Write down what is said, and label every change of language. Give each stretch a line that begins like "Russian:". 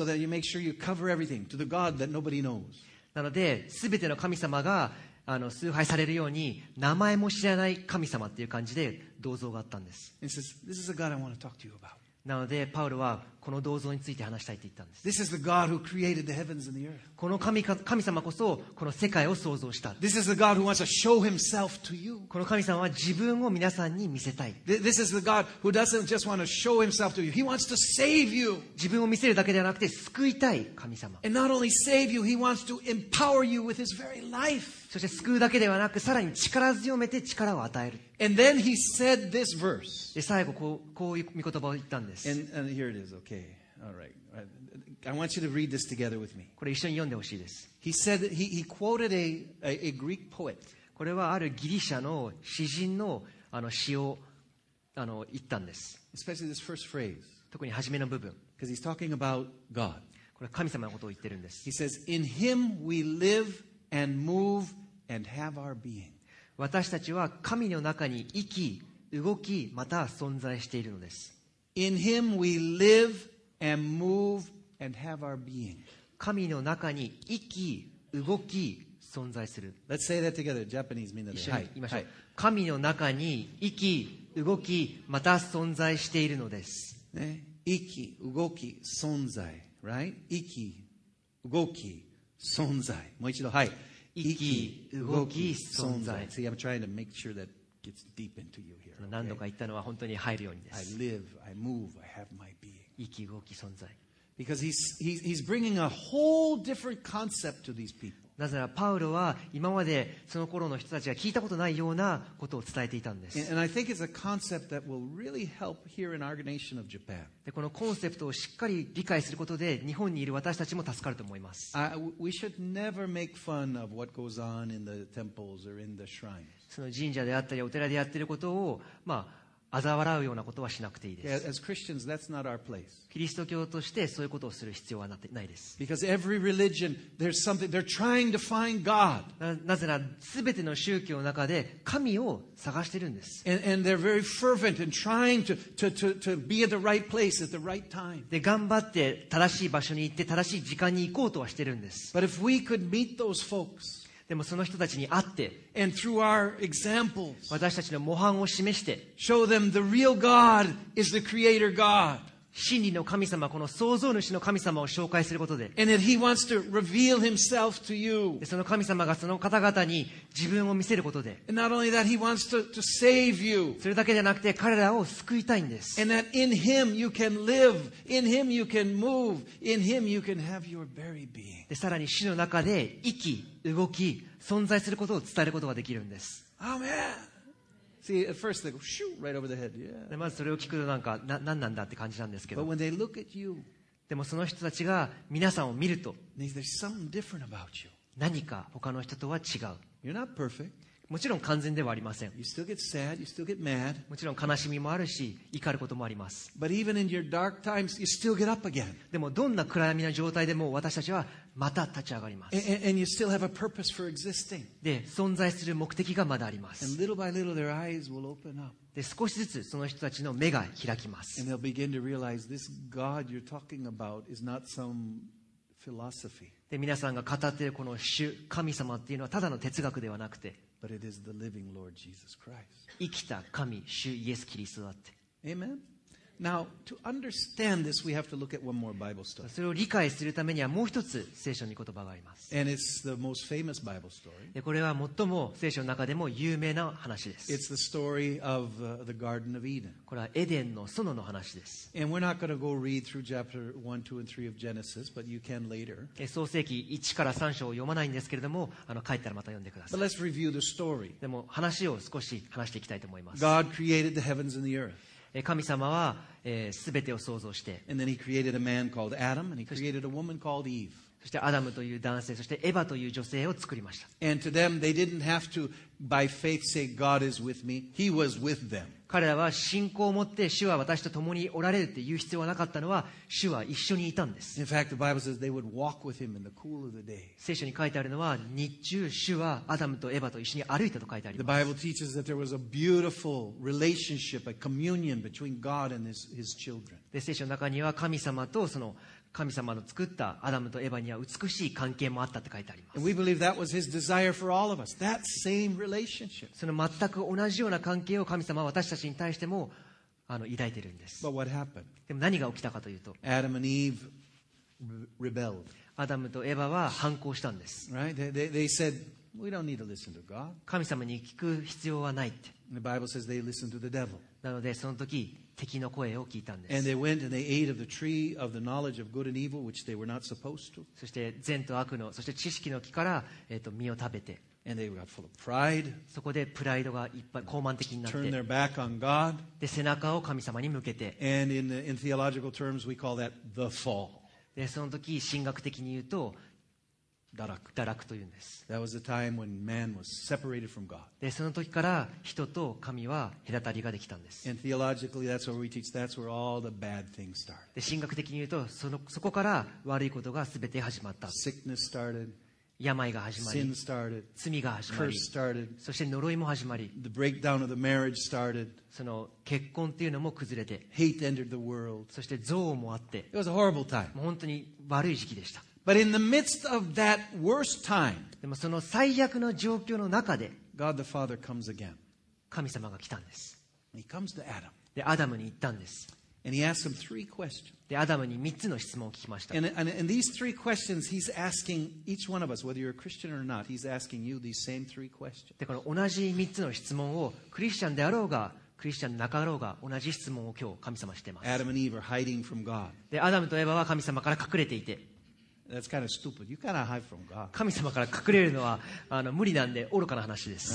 English: And so that you make sure you cover everything to the God that nobody knows.
Japanese: なので、すべての神様が崇拝されるように名前も知らない神様っていう感じで銅像があったんです。
English: And says, "This is a God I want to talk to you about."
Japanese: なので、パウロはこの銅像について話したいって言ったんです。
English: This is the God who created the heavens and the earth.
Japanese: この神様こそこの世界を創造した。
English: This is the God who wants to show himself to you.
Japanese: この神様は自分を皆さんに見せたい。
English: This is the God who doesn't just want to show himself to you. He wants to save you.
Japanese: 自分を見せるだけではなくて救いたい神様。
English: And not only save you, he wants to empower you with his very life.
Japanese: そして救うだけではなくさらに力強めて力を与える。
English: And then he said this verse.
Japanese: で最後こういう御言葉を言ったんです。
English: And here it is, okay. Okay. All right. I want you to read this together with me.
Japanese: これ一緒に読んでほしいです。
English: He said he quoted a Greek poet.
Japanese: これはあるギリシャの詩人の詩を言ったんです。
English: Especially this first phrase.
Japanese: 特に初めの部分。
English: Because he's talking about God.
Japanese: これ神様のことを言ってるんです。
English: He says, "In Him we live and move and have our being."
Japanese: 私たちは神の中に生き、動き、また存在しているのです。
English: In Him we live and move and have our being.
Japanese: 神の中に生き、動き、存在する。
English: Let's say that together, Japanese,
Japanese: みんなで。一緒に言いましょう。神の中に生き、動き、また存在しているのです。ね、生き、動き、存在。
English: Right?
Japanese: 生き、動き、存在。もう一度、はい。生き、動き、存在。
English: See, I'm trying to make sure that gets deep into you here.
Japanese: 何度か言ったのは本当に入るようにです。
English: I live, I move, I have my being.
Japanese: 生き動き存在。
English: Because he's bringing a whole different concept to these people.
Japanese: なぜならパウロは今までその頃の人たちが聞いたことないようなことを伝えていたんです。
English: And I think it's a concept that will really help here in our nation of Japan.
Japanese: で、このコンセプトをしっかり理解することで日本にいる私たちも助かると思います。
English: We should never make fun of what goes on in the temples or in the shrines.
Japanese: その神社であったりお寺でやっていることを、まあ、嘲笑うようなことはしなくていいです。
English: Yeah, as Christians, that's not our place.
Japanese: キリスト教としてそういうことをする必要はないです。
English: Because every religion, there's something, they're trying to find God.
Japanese: なぜなら、すべての宗教の中で神を探しているんです。
English: And they're very fervent in trying to be at the right place at the right time.
Japanese: で、頑張って正しい場所に行って正しい時間に行こうとはしているんです。
English: But if we could meet those folks,
Japanese: でもその人たちに会って、
English: And through our examples,
Japanese: 私たちの模範を示して、
English: show them the real God is the Creator God.
Japanese: 真理の神様、この創造主の神様を紹介することで、
English: And that He wants to reveal Himself to you.
Japanese: でその神様がその方々に自分を見せることで、
English: And not only that, He wants to save you.
Japanese: それだけじゃなくて彼らを救いたいんです。
English: And that in Him you can live, in Him you can move, in Him you can have your very being.
Japanese: でさらに死の中で生き、動き、存在することを伝えることができるんです。アーメン。
English: See, at first they go shoot right over the head. Yeah.
Japanese: でまずそれを聞くとなんか何なんだって感じなんですけど。
English: But when they look at you,
Japanese: でもその人たちが皆さんを見ると、
English: there's something different about you.
Japanese: 何か他の人とは違う。
English: You're not perfect.
Japanese: もちろん完全ではありません。
English: You still get sad. You still get mad.
Japanese: もちろん悲しみもあるし、怒ることもあります。
English: But even in your dark times, you still get up again.
Japanese: でもどんな暗闇な状態でも私たちはまた立ち上がります。
English: And you still have a purpose for existing.
Japanese: で、存在する目的がまだあります。
English: And little by little, their eyes will open up.
Japanese: で、少しずつその人たちの目が開きます。
English: And they'll begin to realize this God you're talking about is not some philosophy.
Japanese: で、皆さんが語っているこの主、神様っていうのはただの哲学ではなくて、
English: But it is the living Lord Jesus Christ.
Japanese: 生きた神、主イエス・キリストだって。
English: Amen? Now, to understand this, we have to look at one more Bible story.
Japanese: それを理解するためにはもう一つ聖書の言葉があります。
English: And it's the most famous Bible story.
Japanese: で、これは最も聖書の中でも有名な話です。
English: It's the story of the Garden of Eden.
Japanese: これはエデンの園の話です。
English: And we're not going to go read through chapter 1, 2, and 3 of Genesis, but you can later.
Japanese: 創世記1から3章を読まないんですけれども、帰ったらまた読んでください。
English: But let's review the story.
Japanese: でも話を少し話していきたいと思います。
English: God created the heavens and the earth.
Japanese: 神様は、全てを創造して、
English: and then he created a man called Adam, and he created a woman called Eve.
Japanese: そしてアダムという男性、そしてエヴァという女性を作りました。
English: And to them, they didn't have to, by faith, say, God is with me. He was with them.
Japanese: 彼らは信仰を持って、主は私と共におられるって言う必要はなかったのは、主は一緒にいたんです。
English: In fact, the Bible says they would walk with him in the cool of the day.
Japanese: 聖書に書いてあるのは、日中、主はアダムとエヴァと一緒に歩いたと書いてあります。
English: The Bible teaches that there was a beautiful relationship, a communion between God and his children.
Japanese: で、聖書の中には神様とその、神様の作ったアダムとエヴァには美しい関係もあったと書いてあります。
English: And we believe that was his desire for all of us. That same relationship.
Japanese: その全く同じような関係を神様は私たちに対しても抱いているんです。
English: But what happened?
Japanese: でも何が起きたかというと、
English: Adam and Eve rebelled.
Japanese: アダムとエヴァは反抗したんです。
English: Right? They said, we don't need to listen to God.
Japanese: 神様に聞く必要はないって。
English: The Bible says they listened to the devil.
Japanese: なのでその時、敵の声を聞いたんです。
English: And they went and they ate of the tree of the knowledge of good and evil, which they were not supposed to.
Japanese: そして善と悪の、そして知識の木から、実を食べて。
English: And they got full of pride.
Japanese: そこでプライドがいっぱい高慢的になって。
English: Turned their back on God.
Japanese: で背中を神様に向けて。
English: And in theological terms, we call that the fall.
Japanese: でその時神学的に言うと、堕落。堕落というんです。
English: That was the time when man was separated from God.
Japanese: で、その時から人と神は隔たりができたんです。
English: And theologically, that's what we teach. That's where all the bad things start.
Japanese: で、神学的に言うと、そこから悪いことが全て始まった。
English: Sickness started.
Japanese: 病が始まり。
English: Sin started.
Japanese: 罪が始まり。
English: Curse started.
Japanese: そして呪いも始まり。
English: The breakdown of the marriage started.
Japanese: その結婚っていうのも崩れて。
English: Hate entered the world.
Japanese: そして憎悪もあって。
English: It was a horrible time.
Japanese: もう本当に悪い時期でした。
English: But in the midst of that worst time,
Japanese: でもその最悪の状況の中で、
English: God the Father comes again.
Japanese: 神様が来たんです。
English: He comes to Adam.
Japanese: で、アダムに言ったんです。
English: And he asked him three questions.
Japanese: で、アダムに3つの質問を聞きました。
English: And these three questions, he's asking each one of us, whether you're a Christian or not, he's asking you these same three questions.
Japanese: で、この同じ3つの質問を、クリスチャンであろうが、クリスチャンでなかろうが、同じ質問を今日、神様しています。
English: Adam and Eve are hiding from God.
Japanese: で、アダムとエヴァは神様から隠れていて。
English: That's kind of stupid. You cannot hide from God.
Japanese: 神様から隠れるのは無理なんで、愚かな話です。